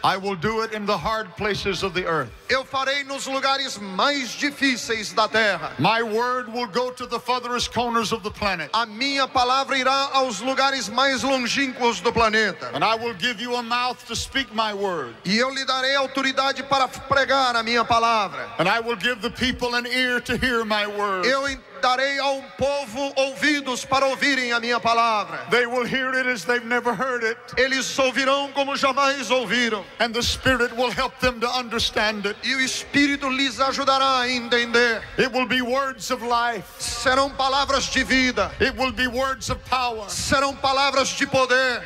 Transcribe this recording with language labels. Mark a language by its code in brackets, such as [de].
[en] I will do it in the hard places of the earth. [pt] Eu farei nos lugares mais difíceis da terra. [en] My word will go to the furthest corners of the planet. [pt] A minha palavra irá aos lugares mais longínquos do planeta. [en] And I will give you a mouth to speak my word. [pt] E eu lhe darei autoridade para pregar a minha palavra. [en] And I will give the people an ear to hear my word. [pt] Eu darei ao povo ouvidos para ouvirem a minha palavra. [en] They will hear it as they've never heard it. [pt] Eles ouvirão como jamais ouviram. [en] And the Spirit will help them to understand it. [pt] E o Espírito lhes ajudará a entender. [en] It will be words of life. [pt] Serão palavras de vida. [en] It will be words of power. [pt] Serão palavras de poder.